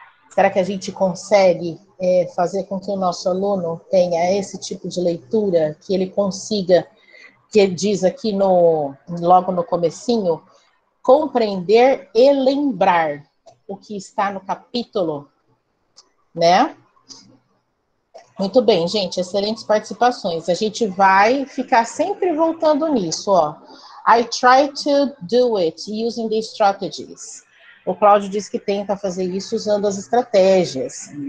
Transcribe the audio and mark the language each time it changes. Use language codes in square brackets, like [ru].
[pt] Será que a gente consegue fazer com que o nosso aluno tenha esse tipo de leitura, que ele consiga, que ele diz aqui no, logo no comecinho, compreender e lembrar o que está no capítulo, né? Muito bem, gente, excelentes participações. A gente vai ficar sempre voltando nisso, ó. [en] I try to do it using the strategies. [pt] O Cláudio diz que tenta fazer isso usando as estratégias.